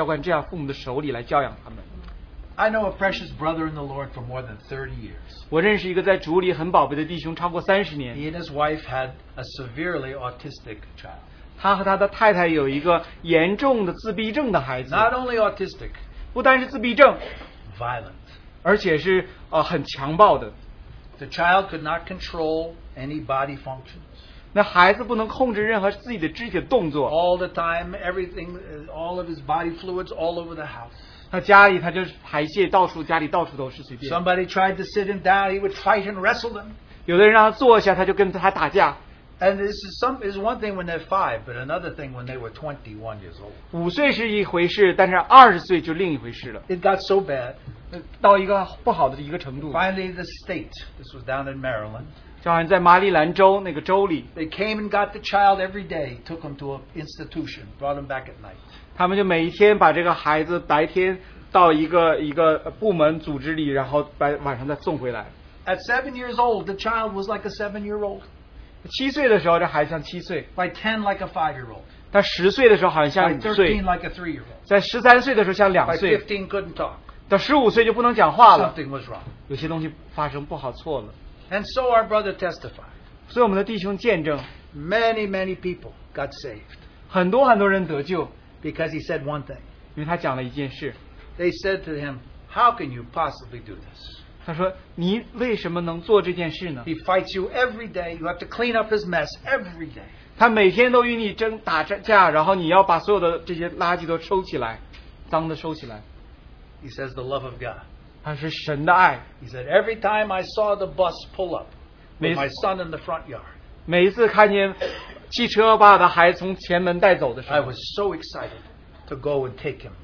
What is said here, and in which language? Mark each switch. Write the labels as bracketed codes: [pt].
[zh] 但是在神的全能统管当中，他就觉得这样的父母配得这些这样特别的孩子。神特别把这些孩子交给这样父母的手里来教养他们。 [en] I know a precious brother in the Lord for more than 30 years. [zh] 我认识一个在主里很宝贝的弟兄超过30年。 [en] He and his wife had a severely autistic child. [zh] 他和他的太太有一个严重的自闭症的孩子。 [en] Not only autistic, [zh] 不单是自闭症, [en] violent, [zh] 而且是很强暴的。 [en] The child could not control any body functions. [zh] 那孩子不能控制任何自己的肢体的动作。 [en] All the time, everything, all of his body fluids all over the house. [zh] 他家里他就排泄到处，家里到处都是随便。 [en] Somebody tried to sit him down, he would fight and wrestle them. [zh] 有的人让他坐下，他就跟他打架。 [en] And this is some is one thing when they're five, but another thing when they were 21 years old. [zh] 五岁是一回事，但是20岁就另一回事了。 [en] It got so bad. [zh] 到一个不好的一个程度。 [en] Finally, the state, this was down in Maryland. [zh] 就好像在马里兰州那个州里。 [en] They came and got the child every day, took him to an institution, brought him back at night. [zh] 他们就每一天把这个孩子白天到一个部门组织里，然后晚上再送回来。 [en] At 7 years old, the child was like a 7 year old. [zh] 7岁的时候，这孩子像7岁。 [en] By 10, like a 5 year old. [zh] 但10岁的时候好像像5岁。 [en] By 13, like a 3 year old. [zh] 在13岁的时候像2岁。 [en] By 15, couldn't talk. [zh] 到15岁就不能讲话了。 [en] Something was wrong. [zh] 有些东西发生，不好错了。 [en] And so our brother testified. [zh] 所以我们的弟兄见证, [en] many, many people got saved. [zh] 很多很多人得救, [en] because he said one thing. [zh] 因为他讲了一件事。 [en] They said to him, "How can you possibly do this?" [zh] 他说,你为什么能做这件事呢? [en] He fights you every day. You have to clean up his mess every day. [zh] 他每天都与你争打架, 然后你要把所有的这些垃圾都收起来,脏的收起来。 [en] He says the love of God. [zh] 他是神的爱。 [en] He said, "Every time I saw the bus pull up with my son in the front yard, [zh] 每一次看见汽车把我的孩子从前门带走的时候, [en] I was so excited to go and take him,